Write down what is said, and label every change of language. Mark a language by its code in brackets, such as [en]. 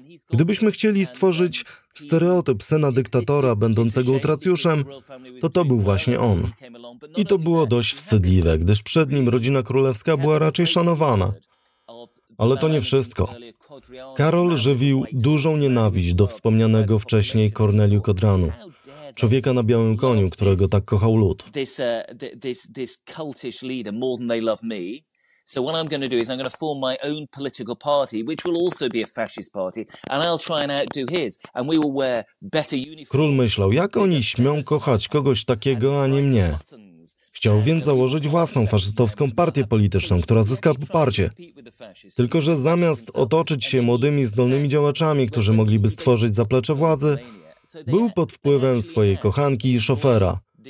[pl] Gdybyśmy chcieli stworzyć stereotyp syna dyktatora będącego utracjuszem, to był właśnie on. I to było dość wstydliwe, gdyż przed nim rodzina królewska była raczej szanowana. Ale to nie wszystko. Karol żywił dużą nienawiść do wspomnianego wcześniej Corneliu Codreanu, człowieka na białym koniu, którego tak kochał lud. [en] This cultish leader more than they love me. So what I'm going to do is I'm going to form my own political party, which will also be a fascist party, and I'll try and outdo his, and we will wear better uniforms. [pl] Król myślał, jak oni śmią kochać kogoś takiego, a nie mnie. Chciał więc założyć własną faszystowską partię polityczną, która zyska poparcie. Tylko że zamiast otoczyć się młodymi, zdolnymi działaczami, którzy mogliby stworzyć zaplecze władzy, był pod wpływem swojej kochanki i szofera.